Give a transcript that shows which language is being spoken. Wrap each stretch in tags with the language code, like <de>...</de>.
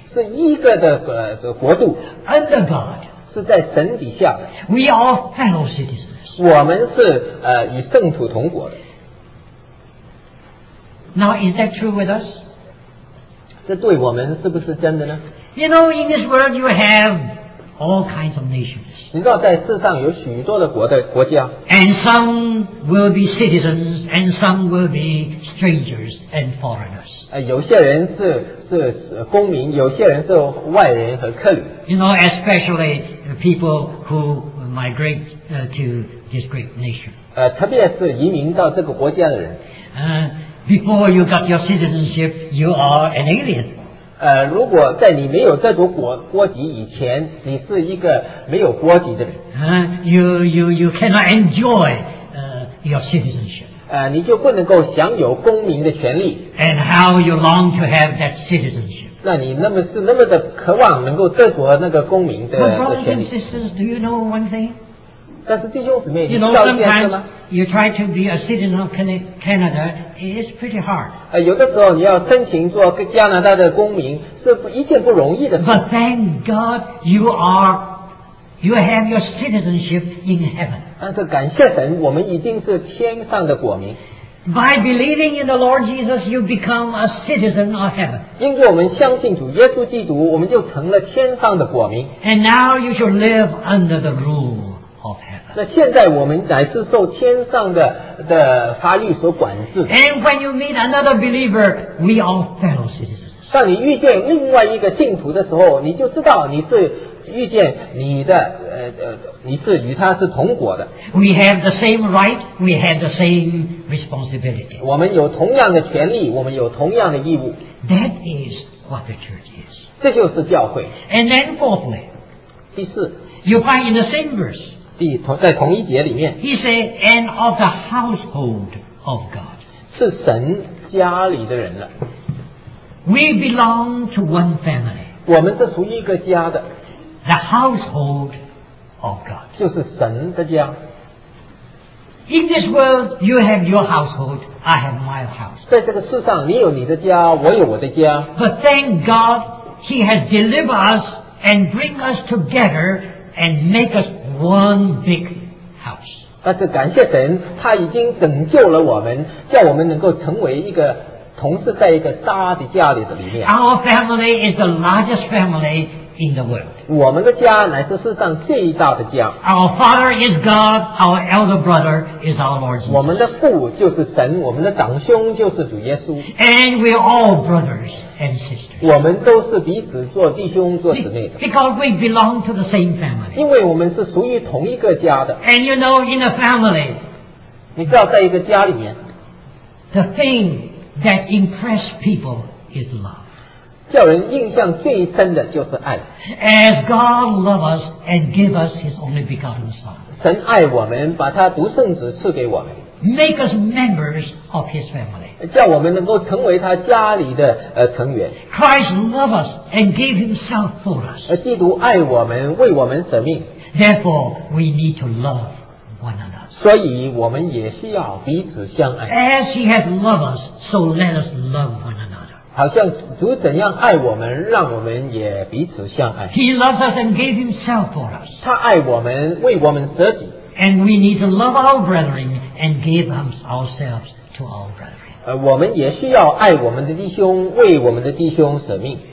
<zh>是一个的国度。</zh> <en>Under God.</en> <zh>是在神底下。</zh> <en>We are fellow citizens.</en> <zh>我们是与圣徒同国的。</zh> <en>Now is that true with us?</en> <zh>这对我们是不是真的呢?</zh> <en>You know, in this world you have all kinds of nations. And some will be citizens, and some will be strangers and foreigners.</en> <zh>有些人是公民, 有些人是外人和客旅。</zh> <en>You know, especially the people who migrate to this great nation.</en> <zh>特别是移民到这个国家的人。</zh> <en>Before you got your citizenship, you are an alien.</en> <zh>如果在你没有这种国籍以前, 你是一个没有国籍的人。</zh> <en>You cannot enjoy your citizenship.</en> <zh>你就不能够享有公民的权利。</zh> <en>And how you long to have that citizenship.</en> <zh>那你那么渴望能够得国那个公民的权利。</zh> <en>But brothers and sisters, do you know one thing?</en> <zh>但是弟兄姊妹,</zh> <en>you know, sometimes you try to be a citizen of Canada, it is pretty hard.</en> <zh>有的时候你要申请做加拿大的公民, 是一件不容易的事。</zh> <en>But thank God you have your citizenship in heaven.</en> <zh>但是感谢神, 我们已经是天上的国民。</zh> <en>By believing in the Lord Jesus, you become a citizen of heaven.</en> <zh>因为我们相信主耶稣基督, 我们就成了天上的国民。</zh> <en>And now you shall live under the rule.</en> <zh>那现在我们乃是受天上的法律所管制。</zh> <en>And when you meet another believer, we are fellow citizens.</en> <zh>当你遇见另外一个信徒的时候, 你就知道你是与他是同国的。</zh> <en>We have the same right, we have the same responsibility.</en> <zh>我们有同样的权利, 我们有同样的义务。</zh> <en>That is what the church is.</en> <zh>这就是教会。</zh> <en>And then fourthly,</en> <zh>第四,</zh> <en>you find in the same verse,</en> <zh>在同一节里面,</zh> <en>he said, and of the household of God.</en> <zh>是神家里的人了。</zh> <en>We belong to one family.</en> <zh>我们是属于一个家的。</zh> <en>The household of God.</en> <zh>就是神的家。</zh> <en>In this world, you have your household, I have my house.</en> <zh>在这个世上, 你有你的家, 我有我的家。</zh> <en>But thank God, he has delivered us and bring us together and make us one big house.</en> <zh>但是感谢神, 他已经拯救了我们, 叫我们能够成为一个同事在一个家的家里的里面。</zh> <en>Our family is the largest family in the world.</en> <zh>我们的家乃是世上最大的家。</zh> <en>Our father is God, our elder brother is our Lord Jesus.</en> <zh>我们的父就是神, 我们的长兄就是主耶稣。</zh> <en>And we are all brothers and sisters.</en> <zh>我们都是彼此做弟兄做姊妹的。</zh> <en>Because we belong to the same family.</en> <zh>因为我们是属于同一个家的。</zh> <en>And you know, in a family,</en> <zh>你知道在一个家里面,</zh> <en>the thing that impresses people is love.</en> <zh>叫人印象最深的就是爱。</zh> <en>As God loves us and give us His only begotten Son.</en> <zh>神爱我们，把他独生子赐给我们。</zh> <en>Make us members of His family.</en> <zh>叫我们能够成为他家里的成员。</zh> <en>Christ loves us and gave Himself for us.</en> <zh>基督爱我们，为我们舍命。</zh> <en>Therefore, we need to love one another.</en> <zh>所以我们也需要彼此相爱。</zh> <en>As He has loved us, so let us love one another.</en> <zh>好像主怎样爱我们，让我们也彼此相爱。</zh> <en>He loves us and gave Himself for us.</en> <zh>他爱我们，为我们舍己。</zh> <en>And we need to love our brethren and give ourselves to our brethren.</en> <zh>我们也需要爱我们的弟兄，为我们的弟兄舍命。</zh>